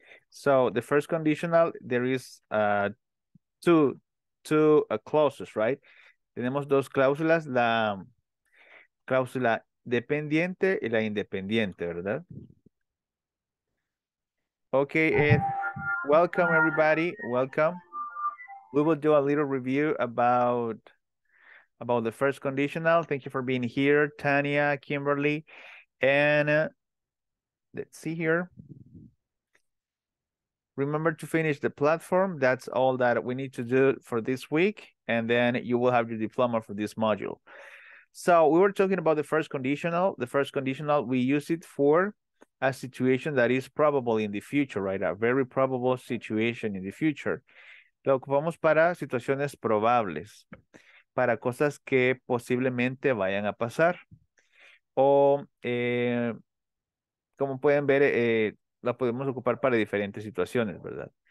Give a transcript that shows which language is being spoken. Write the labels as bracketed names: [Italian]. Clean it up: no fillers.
[English] So the first conditional, there is two clauses, right? [Spanish] Tenemos dos cláusulas, la cláusula dependiente y la independiente, ¿verdad? [English] Okay, Ed, welcome everybody, welcome. We will do a little review about the first conditional. Thank you for being here, Tania, Kimberly, and let's see here. Remember to finish the platform. That's all that we need to do for this week. And then you will have your diploma for this module. So we were talking about the first conditional. The first conditional, we use it for a situation that is probable in the future, right? A very probable situation in the future. [Spanish] Lo ocupamos para situaciones probables, para cosas que posiblemente vayan a pasar. O como pueden ver, la podemos ocupar para diferentes situaciones, ¿verdad?